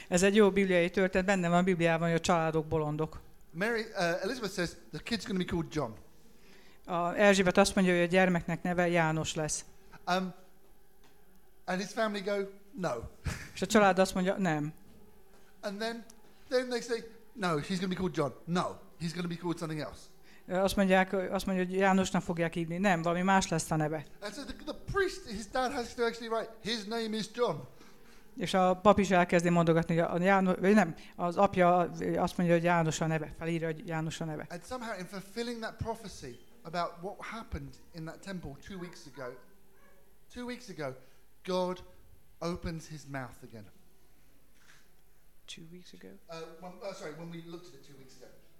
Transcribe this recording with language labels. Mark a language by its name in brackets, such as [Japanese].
[Hungarian] Ez egy jó bibliai történet. Benne van a Bibliában, hogy a családok bolondok. [English] Mary, Elizabeth says the kid's going to be called John. [Hungarian] Erzsébet azt mondja, hogy a gyermeknek neve János lesz. [English] And his family go no. [Hungarian] És a család azt mondja nem. [English] And then they say no, he's going to be called John. No, he's going to be called something else. [Hungarian] Azt mondja, hogy Jánosnak fogják hívni. Nem, valami más lesz a neve. [English] And so the priest, his dad has to actually write, his name is John. [Hungarian] És a pap is elkezdi mondogatni, hogy az apja azt mondja, hogy János a neve. Felírja, hogy János a neve. [English] And somehow in fulfilling that prophecy about what happened in that temple two weeks ago, God opens his mouth again. 2 weeks ago? When we looked at it 2 weeks ago.